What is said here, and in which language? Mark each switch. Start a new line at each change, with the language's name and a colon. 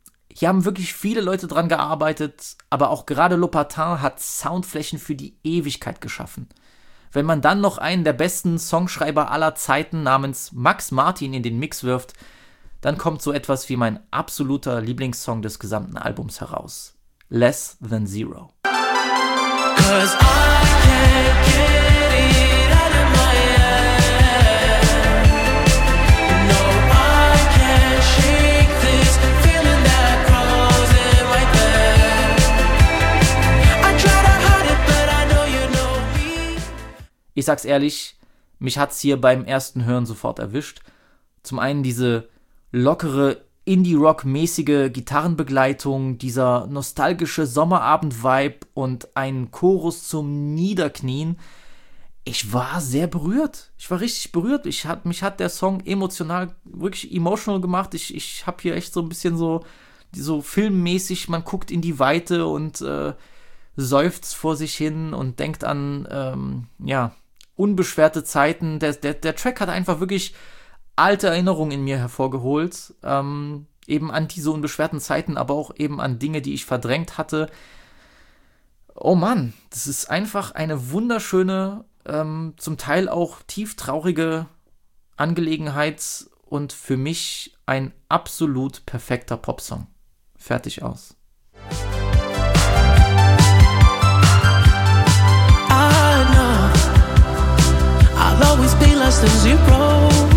German: Hier haben wirklich viele Leute dran gearbeitet, aber auch gerade Lopatin hat Soundflächen für die Ewigkeit geschaffen. Wenn man dann noch einen der besten Songschreiber aller Zeiten namens Max Martin in den Mix wirft, dann kommt so etwas wie mein absoluter Lieblingssong des gesamten Albums heraus.
English: Less Than Zero. 'Cause I can't get it out of my head. No, I can't shake this feeling that crawls in my bed. I try to hide it, but I know you know me.
German: Ich sag's ehrlich, mich hat's hier beim ersten Hören sofort erwischt. Zum einen diese lockere, Indie-Rock-mäßige Gitarrenbegleitung, dieser nostalgische Sommerabend-Vibe und ein Chorus zum Niederknien. Ich war sehr berührt. Ich war richtig berührt. Mich hat der Song emotional, wirklich emotional gemacht. Ich habe hier echt so ein bisschen so filmmäßig, man guckt in die Weite und seufzt vor sich hin und denkt an unbeschwerte Zeiten. Der Track hat einfach wirklich alte Erinnerungen in mir hervorgeholt, eben an diese unbeschwerten Zeiten, aber auch eben an Dinge, die ich verdrängt hatte. Oh Mann, das ist einfach eine wunderschöne, zum Teil auch tief traurige Angelegenheit und für mich ein absolut perfekter Popsong. Fertig, aus.
English: I know, I'll always be less than zero.